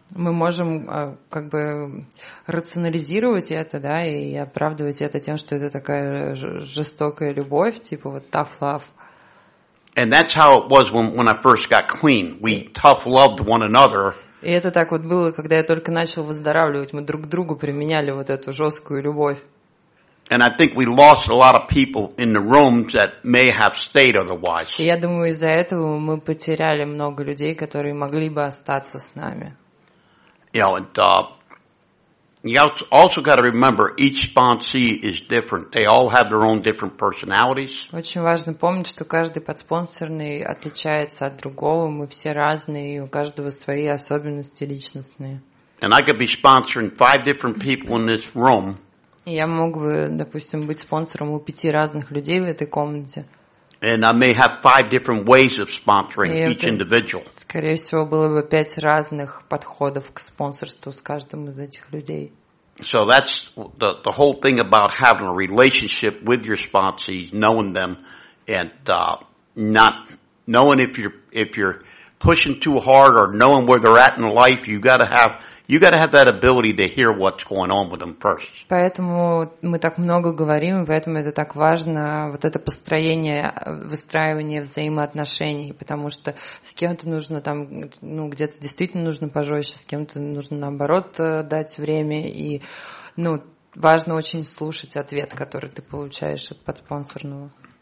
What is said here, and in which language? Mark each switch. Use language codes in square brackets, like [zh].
[ru] Мы можем как бы рационализировать это, да, и оправдывать это тем, что это такая жестокая любовь, типа вот [en] tough love. And that's how it was when I first got clean. We tough loved one another. [ru] И это так вот было, когда я только начал выздоравливать, мы друг другу применяли вот эту жесткую любовь. [en] And I think we lost a lot of people in the rooms that may have stayed otherwise. [ru] И я думаю, из-за этого мы потеряли много людей, которые могли бы остаться с нами. [en] You also got to remember each sponsee is different. They all have their own different personalities. [ru] Очень важно помнить, что каждый подспонсорный отличается от другого. Мы все разные, и у каждого свои особенности личностные. [en] And I could be sponsoring 5 different people in this room. [ru] Я мог бы, допустим, быть спонсором у 5 разных людей в этой комнате. [en] And I may have 5 different ways of sponsoring each individual. [ru] Скорее всего, было бы 5 разных подходов к спонсорству с каждым из этих людей. [en] So that's the whole thing about having a relationship with your sponsees, knowing them, and not knowing if you're pushing too hard or knowing where they're at in life, you got to have that ability to hear what's going on with them first. [ru] Поэтому мы так много говорим, поэтому это так важно, вот это построение, выстраивание взаимоотношений, потому что с кем-то нужно там, ну, где-то действительно нужно пожестче, с кем-то нужно наоборот дать время, и, ну, важно очень слушать ответ, который ты получаешь от подспонсорного.